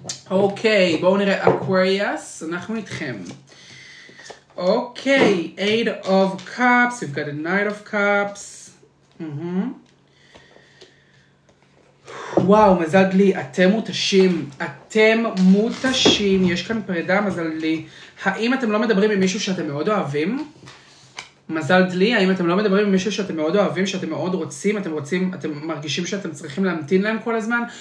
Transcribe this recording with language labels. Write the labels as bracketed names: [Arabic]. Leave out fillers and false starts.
[Hebrew] אוקיי, בואו נראה Aquarius, אנחנו איתכם. [English] אוקיי, Eight of Cups, you've got a Knight of Cups. [Hebrew] וואו, מזל לי, אתם מותשים, אתם מותשים, יש כאן פרידה, מזל לי. האם אתם לא מדברים עם מישהו שאתם מאוד אוהבים? מזל דלי, האם אתם לא מדברים עם מישהו שאתם מאוד אוהבים, שאתם מאוד רוצים, אתם רוצים, אתם מרגישים שאתם צריכים להמתין להם כל הזמן?